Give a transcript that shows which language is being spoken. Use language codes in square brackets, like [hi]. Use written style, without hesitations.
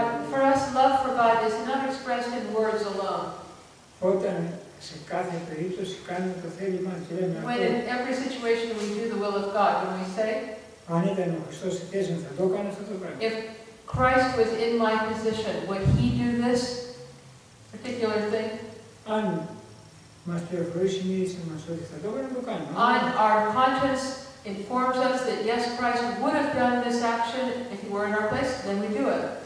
[en] For us, love for God is not expressed in words alone. [el] Όταν σε κάθε περίπτωση κάνουμε το θέλημα και λέμε αυτό. [en] When in every situation we do the will of God, when we say. [el] Αν ήταν ο Χριστός στη θέση μου, θα το έκανε αυτό το πράγμα. [en] If Christ was in my position, would He do this particular thing? [el] Αν μας πληροφορήσει η ίδια μας ότι θα το έκανε, το κάνει. [en] On our conscience informs us that yes, Christ would have done this action if He were in our place, then we do it.